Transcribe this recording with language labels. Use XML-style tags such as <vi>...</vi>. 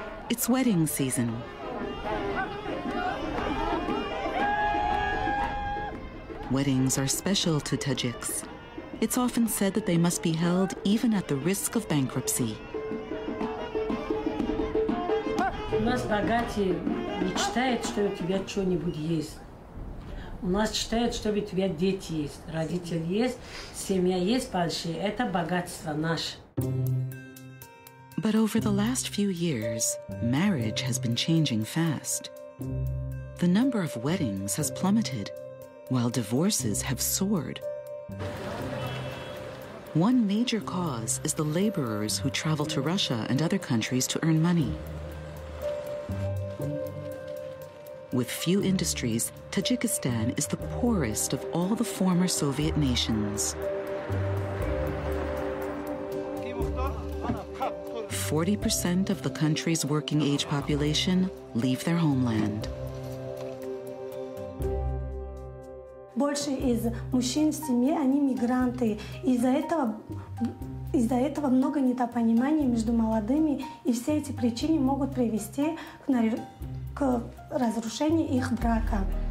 <en>It's wedding season. Weddings are special to Tajiks. It's often said that they must be held even at the risk of bankruptcy.</en> <ru>Нас богатые мечтают, что у тебя что-нибудь есть. У нас считают, что у тебя дети есть, родители есть, семья есть большая. Это богатство наше.</ru> <en>But over the last few years, marriage has been changing fast. The number of weddings has plummeted, while divorces have soared. One major cause is the laborers who travel to Russia and other countries to earn money. With few industries, Tajikistan is the poorest of all the former Soviet nations. 40% of the country's working age population leave their homeland.</en> <ru>Больше из мужчин в семье они мигранты. Из-за этого много недопонимания между молодыми, и все эти причины могут привести к разрушению их брака.</ru>